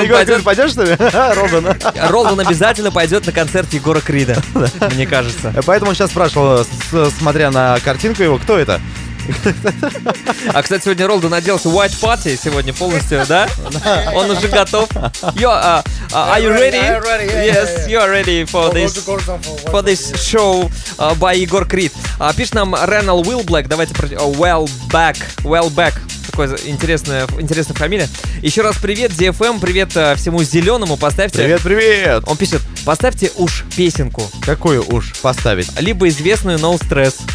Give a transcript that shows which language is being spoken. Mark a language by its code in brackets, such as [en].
[ru] пойдет... На Егора Крида пойдешь, что ли? Ролден. Ролден обязательно пойдет на концерт Егора Крида, мне кажется. Поэтому сейчас спрашивал, смотря на картинку его, кто это? А, кстати, сегодня Ролден наделся White Party сегодня полностью, да? Он уже готов. [en] Are you ready? Yes, you are ready for this show by Егор Крид. [ru] Пишет нам Ренал Уилблэк. Давайте про... Well Back. Такое интересная фамилия. Еще раз привет, DFM. Привет всему зеленому. Поставьте... Привет. Он пишет, поставьте уж песенку. Какую уж поставить? Либо известную No Stress.